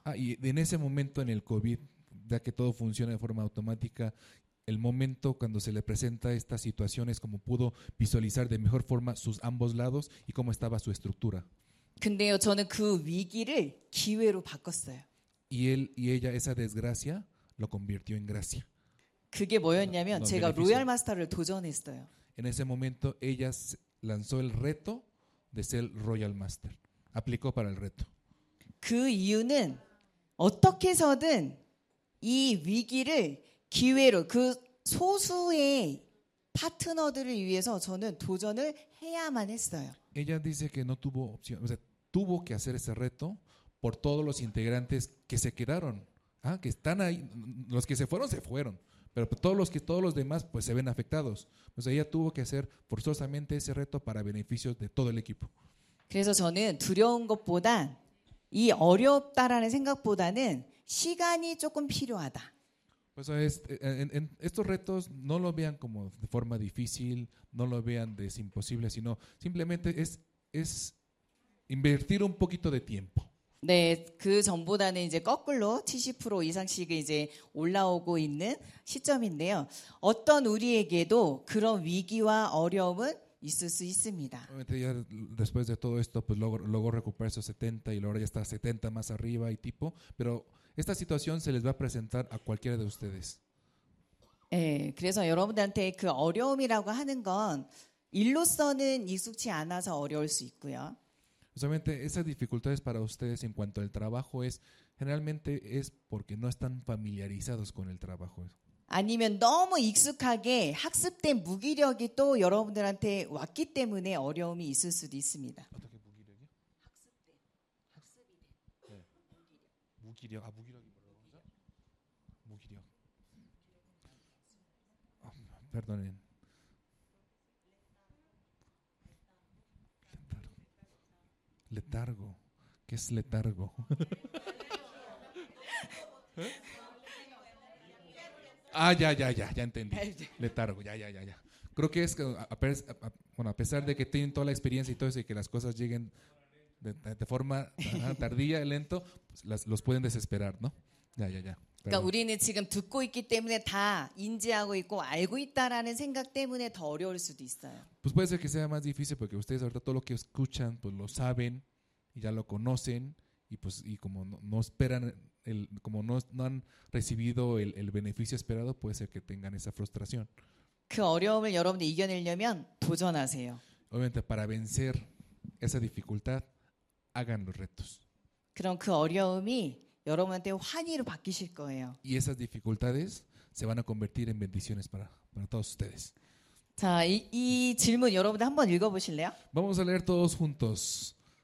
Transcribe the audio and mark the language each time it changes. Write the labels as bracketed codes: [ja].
[es] Ah, y en ese momento en el COVID, ya que todo funciona de forma automática, el momento cuando se le presenta esta situación es como pudo visualizar de mejor forma sus ambos lados y cómo estaba su estructura. [ko] 근데요, 저는 그 위기를 기회로 바꿨어요. [es] Y él y ella esa desgracia lo convirtió en gracia. [ko] 그게 뭐였냐면 no, 제가 로얄 마스터를 도전했어요. [es] En ese momento ella lanzó el reto de ser Royal Master. Aplicó para el reto. [ko] 그 이유는 어떻게서든 이 위기를 기회로 그 소수의 파트너들을 위해서 저는 도전을 해야만 했어요. [es] Ella dice que no tuvo opción, o sea, tuvo que hacer ese reto por todos los integrantes que se quedaron, ah, que están ahí, los que se fueron, pero todos los demás pues se ven afectados. O sea, ella tuvo que hacer forzosamente ese reto para beneficios de todo el equipo. [ko] 그래서 저는 두려운 것보다 이 어렵다라는 생각보다는 시간이 조금 필요하다. [es] Pues estos retos no lo vean como de forma difícil, no lo vean de imposible, sino simplemente es invertir un poquito de tiempo. [ko] 네, 그 전보다는 이제 거꾸로 70% 이상씩 이제 올라오고 있는 시점인데요. 어떤 우리에게도 그런 위기와 어려움은 있을 수 있습니다. [es] Después de todo esto, pues logró recuperar esos 70 y ahora ya está 70 más arriba y tipo, pero esta situación se les va a presentar a cualquiera de ustedes. [ko] 네, 그래서 여러분들한테 그 어려움이라고 하는 건 일로서는 익숙치 않아서 어려울 수 있고요. [es] Justamente esas dificultades para ustedes en cuanto al trabajo es generalmente es porque no están familiarizados con el trabajo. [ko] 아니면 너무 익숙하게 학습된 무기력이 또 여러분들한테 왔기 때문에 어려움이 있을 수도 있습니다. 어떻게 무기력이요? 학습이 네. 무기력. 아, 무기력이 뭐라고 하죠? 무기력. [es] 아, perdonen. Letargo. ¿Qué es letargo? ¿Eh? Ah, ya entendí. Letargo, ya. Creo que es, bueno, a pesar de que tienen toda la experiencia y todo eso y que las cosas lleguen de forma tardía y lento, pues los pueden desesperar, ¿no? Ya. [ko] 그러니까 우리는 지금 듣고 있기 때문에 다 인지하고 있고 알고 있다라는 생각 때문에 더 어려울 수도 있어요. [es] Pues puede ser que sea más difícil porque ustedes ahorita todo lo que escuchan pues lo saben y ya lo conocen y pues y como no esperan el como no han recibido el beneficio esperado puede ser que tengan esa frustración. [ko] 그 어려움을 여러분들이 이겨내려면 도전하세요. [es] Obviamente para vencer esa dificultad hagan los retos. [ko] 그럼 그 어려움이 여러분한테 환희로 바뀌실 거예요. [es] Y esas dificultades se van a convertir en bendiciones para todos ustedes. [ko] 자, 이 질문 여러분들 한번 읽어 보실래요? [es] Vamos a leer todos juntos.